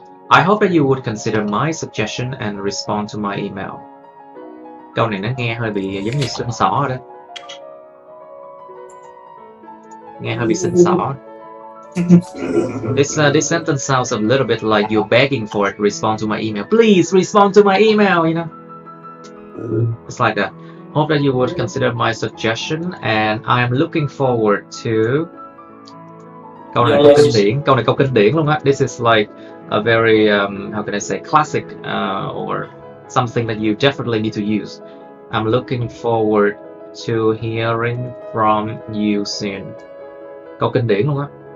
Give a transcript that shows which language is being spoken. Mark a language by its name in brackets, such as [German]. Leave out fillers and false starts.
[English] I hope that you would consider my suggestion and respond to my email. [Vietnamese] Câu này nó nghe hơi bị giống như xin xỏ rồi đó. Nghe hơi bị xin xỏ. [English] This sentence sounds a little bit like you're begging for it. Respond to my email. Please respond to my email, you know. It's like that. Hope that you would consider my suggestion and I'm looking forward to. [Vietnamese] Câu này câu kinh điển, câu này câu kinh điển luôn á. [English] This is like a very how can I say classic or something that you definitely need to use. I'm looking forward to hearing from you soon. [Vietnamese] Câu kinh điển luôn á.